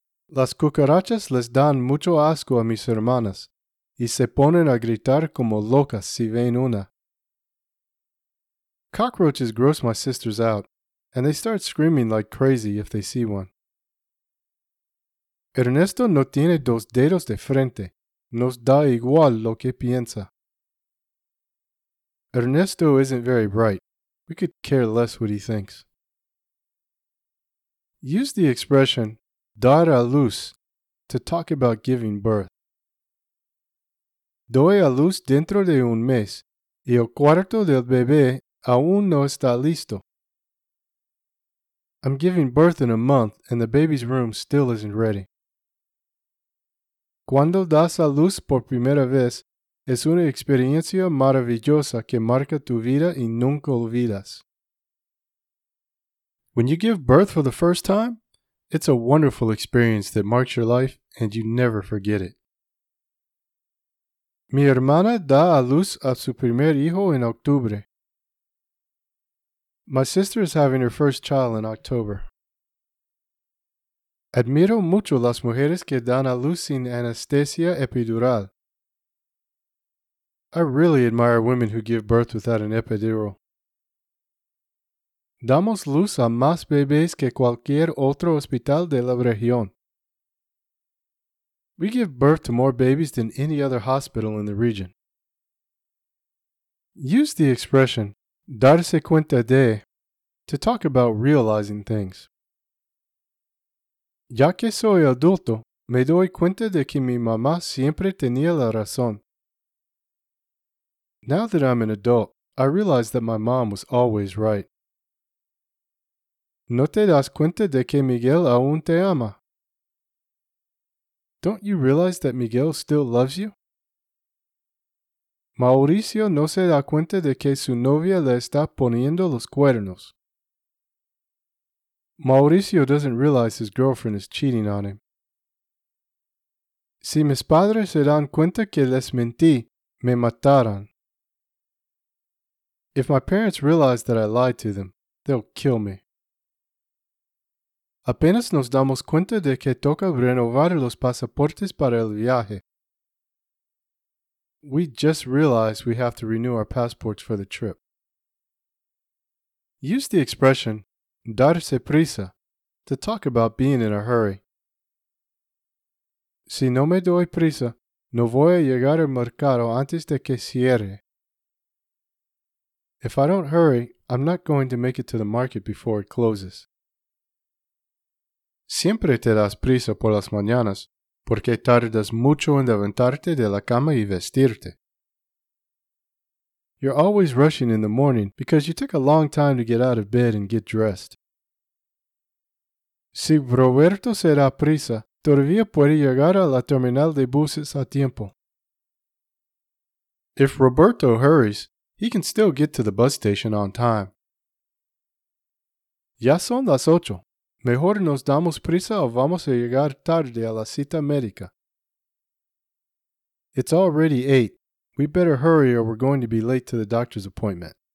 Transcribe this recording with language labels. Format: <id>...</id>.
<es>Las cucarachas les dan mucho asco a mis hermanas y se ponen a gritar como locas si ven una.</es> <en>Cockroaches gross my sisters out, and they start screaming like crazy if they see one.</en> <es>Ernesto no tiene dos dedos de frente. Nos da igual lo que piensa.</es> <en>Ernesto isn't very bright. We could care less what he thinks. Use the expression dar a luz to talk about giving birth.</en> <es>Doy a luz dentro de un mes y el cuarto del bebé aún no está listo.</es> <en>I'm giving birth in a month and the baby's room still isn't ready.</en> <es>Cuando das a luz por primera vez, es una experiencia maravillosa que marca tu vida y nunca olvidas.</es> <en>When you give birth for the first time, it's a wonderful experience that marks your life and you never forget it.</en> <es>Mi hermana da a luz a su primer hijo en octubre.</es> <en>My sister is having her first child in October.</en> <es>Admiro mucho las mujeres que dan a luz sin anestesia epidural.</es> <en>I really admire women who give birth without an epidural.</en> <es>Damos luz a más bebés que cualquier otro hospital de la región.</es> <en>We give birth to more babies than any other hospital in the region. Use the expression darse cuenta de to talk about realizing things.</en> <es>Ya que soy adulto, me doy cuenta de que mi mamá siempre tenía la razón.</es> <en>Now that I'm an adult, I realize that my mom was always right.</en> <es>¿No te das cuenta de que Miguel aún te ama?</es> <en>Don't you realize that Miguel still loves you?</en> <es>Mauricio no se da cuenta de que su novia le está poniendo los cuernos.</es> <en>Mauricio doesn't realize his girlfriend is cheating on him.</en> <es>Si mis padres se dan cuenta que les mentí, me matarán.</es> <en>If my parents realize that I lied to them, they'll kill me.</en> <es>Apenas nos damos cuenta de que toca renovar los pasaportes para el viaje.</es> <en>We just realized we have to renew our passports for the trip. Use the expression darse prisa to talk about being in a hurry.</en> <es>Si no me doy prisa, no voy a llegar al mercado antes de que cierre.</es> <en>If I don't hurry, I'm not going to make it to the market before it closes.</en> <es>Siempre te das prisa por las mañanas, porque tardas mucho en levantarte de la cama y vestirte.</es> <en>You're always rushing in the morning because you take a long time to get out of bed and get dressed.</en> <es>Si Roberto se da prisa, todavía puede llegar a la terminal de buses a tiempo.</es> <en>If Roberto hurries, he can still get to the bus station on time.</en> <es>Ya son las ocho. Mejor nos damos prisa o vamos a llegar tarde a la cita médica.</es> <en>It's already 8. We better hurry or we're going to be late to the doctor's appointment.</en>